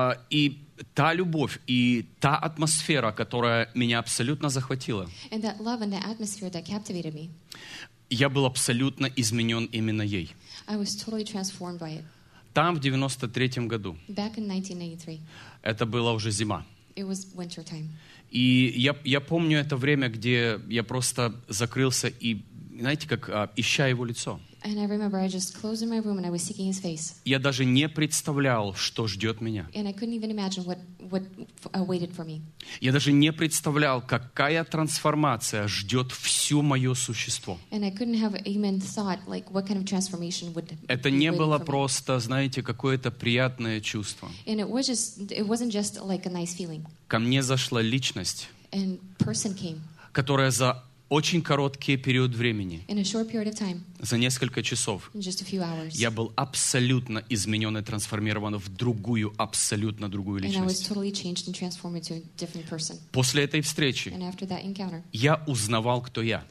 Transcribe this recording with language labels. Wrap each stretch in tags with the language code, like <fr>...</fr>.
<ru>И та любовь и та атмосфера, которая меня абсолютно захватила.</ru> <en>And that love and the atmosphere that captivated me.</en> <ru>Я был абсолютно изменен именно ей.</ru> <en>I was totally transformed by it.</en> <ru>Там в 93-м году.</ru> <en>Back in 1993.</en> <ru>Это была уже зима.</ru> <en>It was winter time.</en> <ru>И я помню это время, где я просто закрылся и, знаете, как ища его лицо.</ru> <en>And I remember I just closed in my room and I was seeking his face.</en> <ru>Я даже не представлял, что ждет меня.</ru> <en>And I couldn't even imagine what awaited for me.</en> <ru>Я даже не представлял, какая трансформация ждет все мое существо.</ru> <en>And I couldn't have even thought like what kind of transformation would.</en> <ru>Это не было просто, знаете, какое-то приятное чувство.</ru> <en>And it wasn't just like a nice feeling.</en> <ru>Ко мне зашла личность.</ru> <en>And person came.</en> <ru>Которая за очень короткий период времени,</ru> <en>time,</en> <ru>за несколько часов,</ru> <en>hours,</en> <ru>я был абсолютно изменен и трансформирован в другую, абсолютно другую личность.</ru> <en>Totally</en> <ru>после этой встречи я узнавал, кто я.</ru>